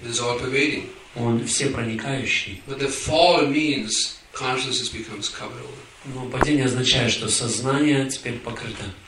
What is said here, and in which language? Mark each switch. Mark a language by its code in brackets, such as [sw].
[en] It's all pervading. [ru] Он всепроникающий. [en] But the fall means consciousness becomes covered over. [ru] Но падение означает, что сознание теперь покрыто.